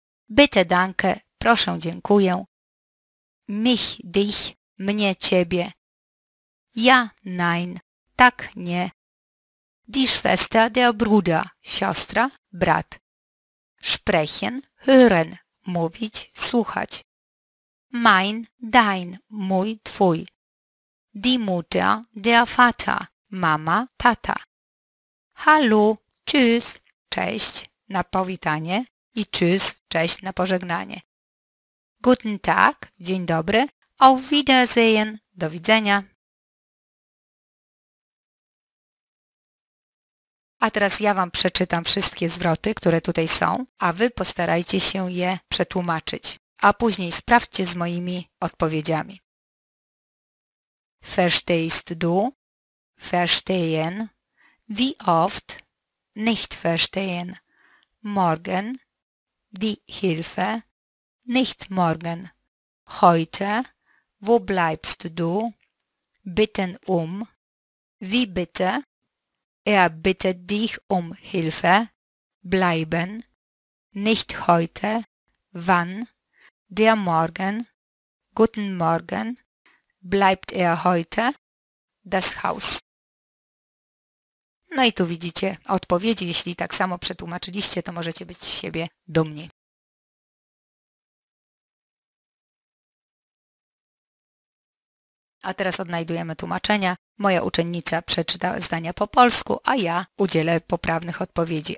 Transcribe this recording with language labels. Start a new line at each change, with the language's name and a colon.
German: Bitte, danke,
Polish: proszę, dziękuję.
German: Mich, dich,
Polish: mnie, ciebie.
German: Ja, nein,
Polish: tak, nie.
German: Die Schwester, der Bruder,
Polish: siostra, brat.
German: Sprechen, hören,
Polish: mówić, słuchać.
German: Mein, dein,
Polish: mój, twój.
German: Die Mutter, der Vater,
Polish: mama, tata.
German: Hallo, tschüss,
Polish: cześć, na powitanie. I
German: tschüss,
Polish: cześć, na pożegnanie.
German: Guten Tag,
Polish: dzień dobry.
German: Auf Wiedersehen,
Polish: do widzenia. A teraz ja Wam przeczytam wszystkie zwroty, które tutaj są, a Wy postarajcie się je przetłumaczyć. A później sprawdźcie z moimi odpowiedziami.
German: Verstehst du? Verstehen? Wie oft? Nicht verstehen. Morgen? Die Hilfe? Nicht morgen. Heute? Wo bleibst du? Bitten um? Wie bitte? Er bittet dich um Hilfe. Bleiben. Nicht heute. wann, der Morgen, guten Morgen, bleibt heute, das Haus.
Polish: No i tu widzicie odpowiedzi, jeśli tak samo przetłumaczyliście, to możecie być z siebie dumni. A teraz odnajdujemy tłumaczenia. Moja uczennica przeczyta zdania po polsku, a ja udzielę poprawnych odpowiedzi.